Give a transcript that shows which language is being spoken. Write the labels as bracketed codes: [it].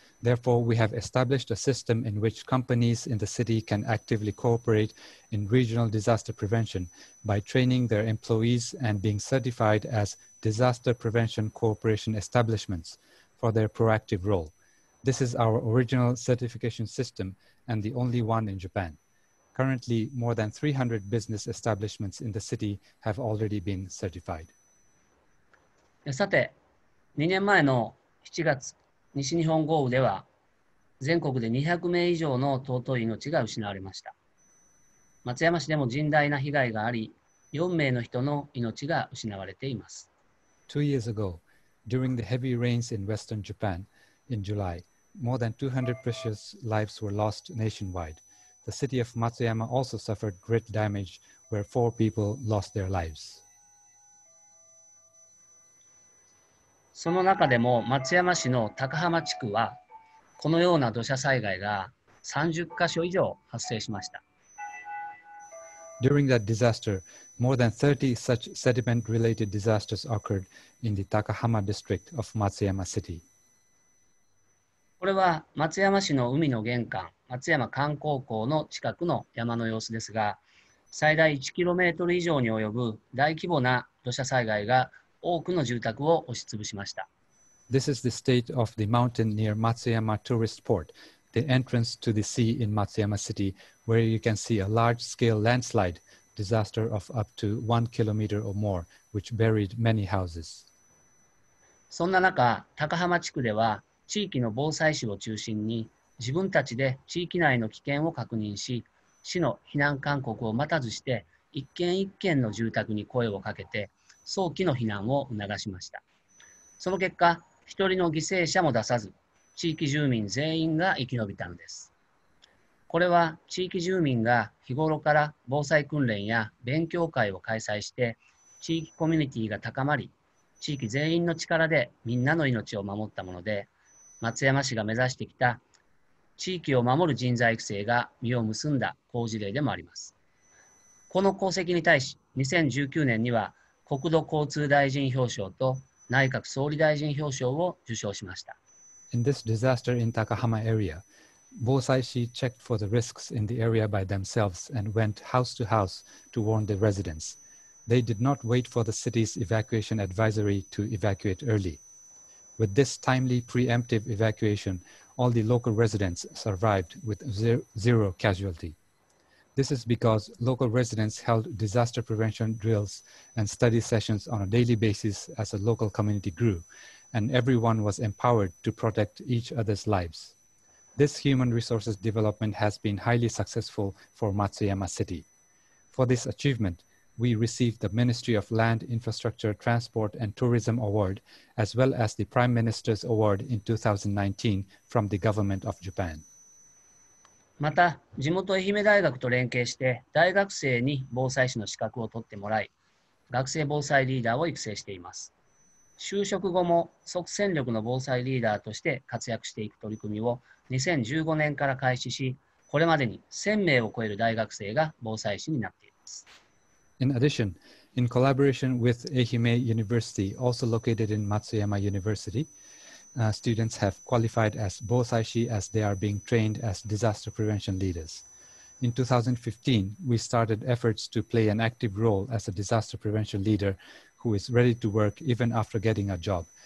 [en] Therefore, we have established a system in which companies in the city can actively cooperate in regional disaster prevention by training their employees and being certified as disaster prevention cooperation establishments for their proactive role. This is our original certification system and the only one in Japan. Currently, more than 300 business establishments in the city have already been certified. [ja] さて、2年前の7月、西日本豪雨では、全国で200名以上の尊い命が失われました。松山市でも甚大な被害があり、4名の人の命が失われています。 [en] 2 years ago, during the heavy rains in western Japan in July, more than 200 precious lives were lost nationwide. The city of Matsuyama also suffered great damage where 4 people lost their lives. [ja] その中でも松山市の高浜地区はこのような土砂災害が30箇所以上発生しました。 [en] During that disaster, more than 30 such sediment-related disasters occurred in the Takahama district of Matsuyama City. [ja] これは松山市の海の玄関、松山観光港の近くの山の様子ですが、最大1キロメートル以上に及ぶ大規模な土砂災害が多くの住宅を押し潰しました。 [en] This is the state of the mountain near Matsuyama Tourist Port, the entrance to the sea in Matsuyama City, where you can see a large-scale landslide disaster of up to 1 kilometer or more, which buried many houses. [ja] そんな中、高浜地区では地域の防災士を中心に自分たちで地域内の危険を確認し、市の避難勧告を待たずして一軒一軒の住宅に声をかけて、早期の避難を促しました。その結果、一人の犠牲者も出さず、地域住民全員が生き延びたのです。これは地域住民が日頃から防災訓練や勉強会を開催して、地域コミュニティが高まり、地域全員の力でみんなの命を守ったもので、松山市が目指してきた地域を守る人材育成が実を結んだ好事例でもあります。この功績に対し、2019年には、国土交通大臣表彰と内閣総理大臣表彰を受賞しました。 [en] In this disaster in Takahama area, 防災士 checked for the risks in the area by themselves and went house to house to warn the residents. They did not wait for the city's evacuation advisory to evacuate early. With this timely preemptive evacuation, all the local residents survived with zero casualty. This is because local residents held disaster prevention drills and study sessions on a daily basis as a local community grew, and everyone was empowered to protect each other's lives. This human resources development has been highly successful for Matsuyama City. For this achievement, we received the Ministry of Land, Infrastructure, Transport and Tourism Award, as well as the Prime Minister's Award in 2019 from the Government of Japan. [ja] また、地元愛媛大学と連携して、大学生に防災士の資格を取ってもらい、学生防災リーダーを育成しています。就職後も即戦力の防災リーダーとして活躍していく取り組みを2015年から開始し、これまでに1000名を超える大学生が防災士になっています。 [en] In addition, in collaboration with Ehime University, also located in Matsuyama University. Students have qualified as Bosaishi as they are being trained as disaster prevention leaders. In 2015, we started efforts to play an active role as a disaster prevention leader who is ready to work even after getting a job.